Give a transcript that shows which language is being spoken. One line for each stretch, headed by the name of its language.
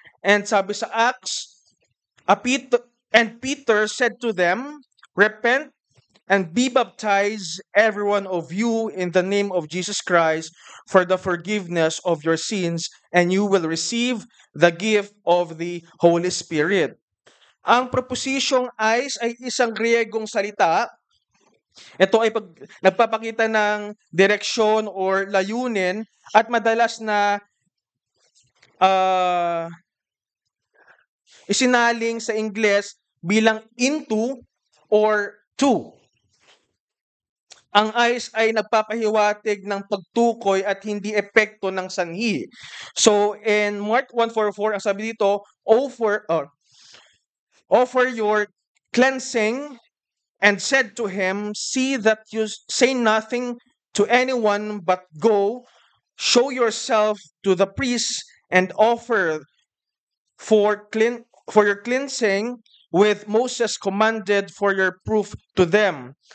English: And
Filipino: sabi sa
English: Acts, Peter said to them, repent and be baptized every one of you in the name of Jesus Christ for the forgiveness of your sins and you will receive the gift of the Holy Spirit.
Filipino: Ang proposisyong eyes ay isang Griegong salita. Ito ay nagpapakita ng direksyon or layunin at madalas na isinaling sa Ingles bilang into or to. Ang eyes ay nagpapahiwatig ng pagtukoy at hindi epekto ng sanhi.
English: So in Mark 1:4,
Filipino: ang sabi dito,
English: offer your cleansing and said to him, see that you say nothing to anyone but go, show yourself to the priest and offer for your cleansing with Moses commanded for your proof to them.